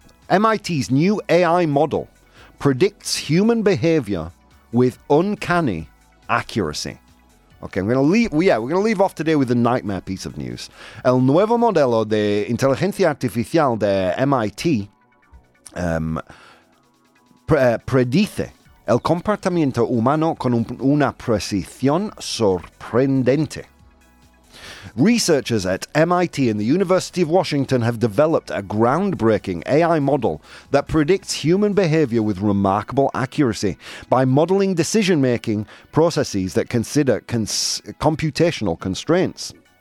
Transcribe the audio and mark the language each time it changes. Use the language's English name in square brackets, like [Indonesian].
[English] MIT's new AI model predicts human behavior with uncanny accuracy. Okay, we're gonna leave off today with a nightmare piece of news. [Spanish] El nuevo modelo de inteligencia artificial de MIT predice el comportamiento humano con una precisión sorprendente. [English] Researchers at MIT and the University of Washington have developed a groundbreaking AI model that predicts human behavior with remarkable accuracy by modeling decision-making processes that consider computational constraints.